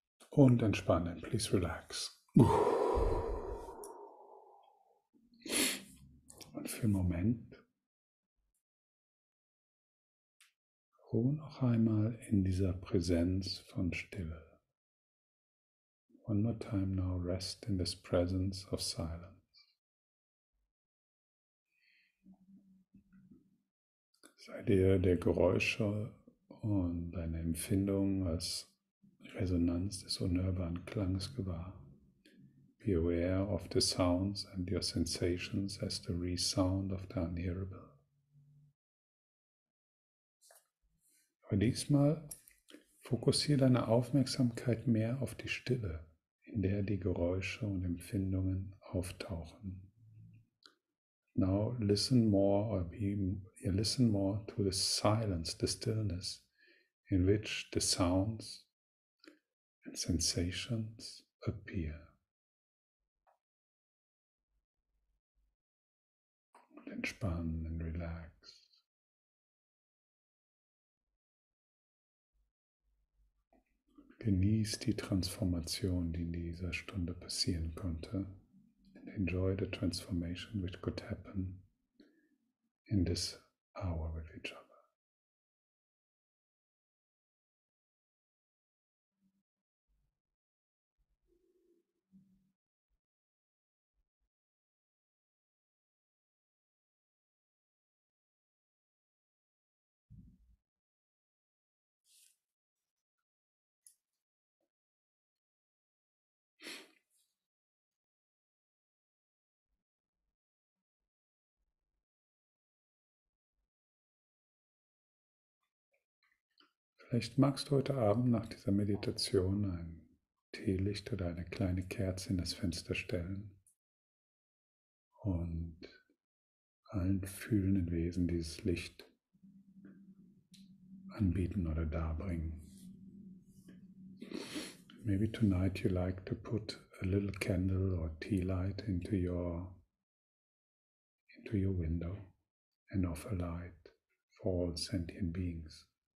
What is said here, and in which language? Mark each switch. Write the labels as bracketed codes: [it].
[de] Und entspannen, [en] please relax. [de] Und für einen Moment ruhe noch einmal in dieser Präsenz von Stille. [en] One more time now, rest in this presence of silence. [de] Sei dir der Geräusche und deine Empfindung als Resonanz des unhörbaren Klangs gewahr. [en] Be aware of the sounds and your sensations as the resound of the unhearable. [de] Aber diesmal fokussiere deine Aufmerksamkeit mehr auf die Stille, in der die Geräusche und Empfindungen auftauchen. [en] Now listen more or listen more to the silence, the stillness, in which the sounds and sensations appear. [de] Und entspannen [en] and relax. [de] Genieß die Transformation, die in dieser Stunde passieren konnte. [en] And enjoy the transformation which could happen in this hour with each other. [de] Vielleicht magst du heute Abend nach dieser Meditation ein Teelicht oder eine kleine Kerze in das Fenster stellen und allen fühlenden Wesen dieses Licht anbieten oder darbringen. [en] Maybe tonight you like to put a little candle or tea light into your window and offer light for all sentient beings.